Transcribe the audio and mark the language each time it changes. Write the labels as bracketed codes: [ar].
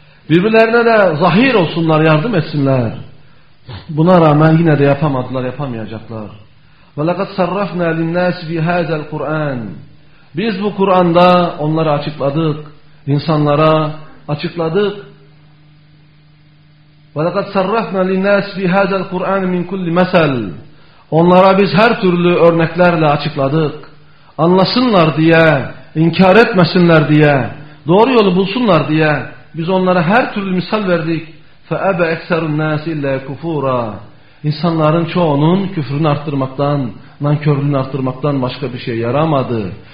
[tr] Birbirlerine de zahir olsunlar, yardım etsinler. Buna rağmen yine de yapamadılar, yapamayacaklar. [ar] وَلَقَدْ صَرَّفْنَا لِلنَّاسِ بِهَذَا الْقُرْآنِ [tr] Biz bu Kur'an'da onları açıkladık. İnsanlara açıkladık. [ar] وَلَقَدْ صَرَّفْنَا لِلنَّاسِ بِهَذَا الْقُرْآنِ مِنْ كُلِّ مَسَلٍ [tr] Onlara biz her türlü örneklerle açıkladık. Anlasınlar diye, İnkar etmesinler diye, doğru yolu bulsunlar diye, biz onlara her türlü misal verdik. [ar] فَأَبَ اَكْسَرُ النَّاسِ اِلَّا كُفُورًا [tr] İnsanların çoğunun küfrünü arttırmaktan, nankörlüğünü arttırmaktan başka bir şey yaramadı.